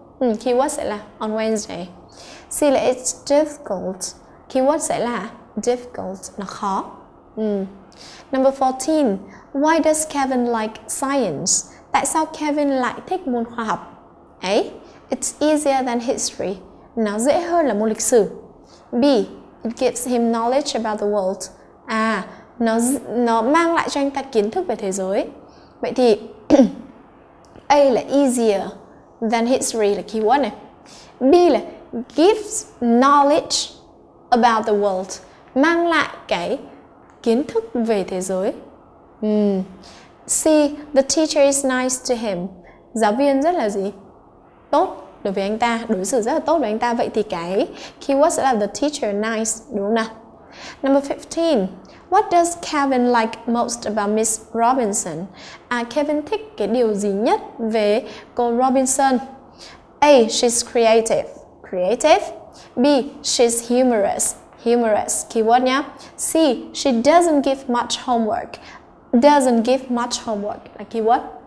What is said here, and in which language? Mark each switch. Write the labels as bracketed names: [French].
[Vietnamese] Keyword sẽ là on Wednesday. C là [English] it's difficult, [Vietnamese] keyword sẽ là difficult, nó khó. Number 14. [English] Why does Kevin like science? [Vietnamese] Tại sao Kevin lại thích môn khoa học? Ấy, [English] it's easier than history. [Vietnamese] Nó dễ hơn là môn lịch sử. [English] B, it gives him knowledge about the world. [Vietnamese] À, nó mang lại cho anh ta kiến thức về thế giới. Vậy thì A là [English] easier than history [Vietnamese] là keyword này. B là [English] gives knowledge about the world, [Vietnamese] mang lại cái kiến thức về thế giới. [English] C, the teacher is nice to him. [Vietnamese] Giáo viên rất là gì? Tốt đối với anh ta, đối xử rất là tốt với anh ta. Vậy thì cái keyword sẽ là [English] the teacher nice, [Vietnamese] đúng không nào? [English] Number 15. What does Kevin like most about Miss Robinson? [Vietnamese] À, Kevin thích cái điều gì nhất về cô Robinson? [English] A, she's creative. Creative. B, she's humorous. Humorous, keyword nhá. C, she doesn't give much homework. Doesn't give much homework là keyword.